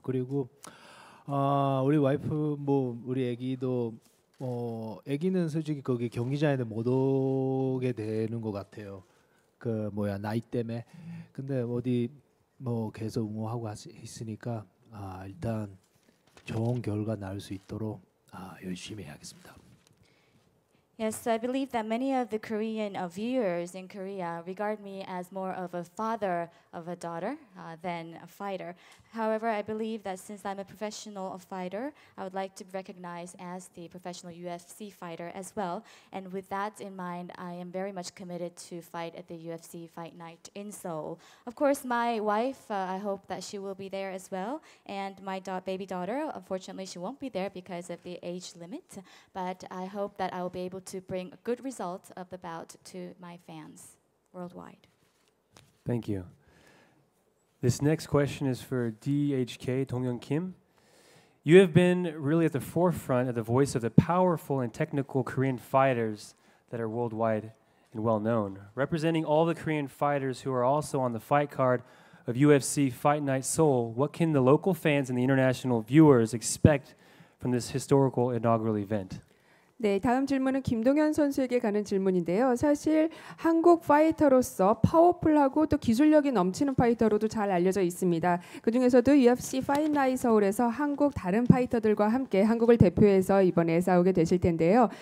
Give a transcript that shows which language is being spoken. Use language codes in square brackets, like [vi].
[ko] 그리고 우리 와이프 뭐 우리 아기도 아기는 솔직히 거기 경기장에도 못 오게 되는 것 같아요. 그 뭐야 나이 때문에. 근데 어디 뭐 계속 응원하고 있으니까 일단 좋은 결과 나올 수 있도록 열심히 하겠습니다. [en] Yes, so I believe that many of the Korean viewers in Korea regard me as more of a father of a daughter than a fighter. However, I believe that since I'm a professional fighter, I would like to be recognized as the professional UFC fighter as well. And with that in mind, I am very much committed to fight at the UFC Fight Night in Seoul. Of course, my wife, I hope that she will be there as well. And my baby daughter, unfortunately, she won't be there because of the age limit. But I hope that I will be able to bring a good result of the bout to my fans worldwide. Thank you. This next question is for DHK, Dongyoung Kim. You have been really at the forefront of the voice of the powerful and technical Korean fighters that are worldwide and well-known. Representing all the Korean fighters who are also on the fight card of UFC Fight Night Seoul, what can the local fans and the international viewers expect from this historical inaugural event? [ko] 네, 다음 질문은 김동현 선수에게 가는 질문인데요. 사실 한국 파이터로서 파워풀하고 또 기술력이 넘치는 파이터로도 잘 알려져 있습니다. 그중에서도 UFC 파이트나잇 서울에서 한국 다른 파이터들과 함께 한국을 대표해서 이번에 싸우게 되실 텐데요.